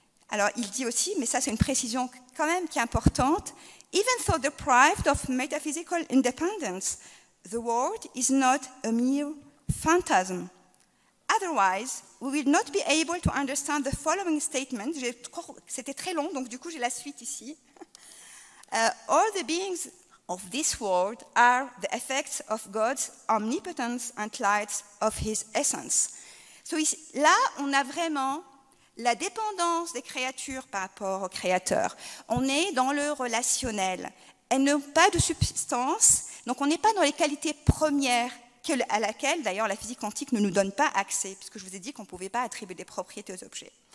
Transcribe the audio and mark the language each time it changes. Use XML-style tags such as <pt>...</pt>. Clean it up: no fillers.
<fr>Alors, il dit aussi, mais ça c'est une précision quand même qui est importante,</fr> <en>even though deprived of metaphysical independence, the world is not a mere phantasm. Otherwise, we will not be able to understand the following statement.</en> <fr>C'était très long, donc du coup j'ai la suite ici.</fr> <en>All the beings of this world are the effects of God's omnipotence and light of his essence.</en> <fr>So ici, là, on a vraiment la dépendance des créatures par rapport au créateur. On est dans le relationnel. Elles n'ont pas de substance, donc on n'est pas dans les qualités premières à laquelle, d'ailleurs, la physique quantique ne nous donne pas accès, puisque je vous ai dit qu'on ne pouvait pas attribuer des propriétés aux objets.</fr>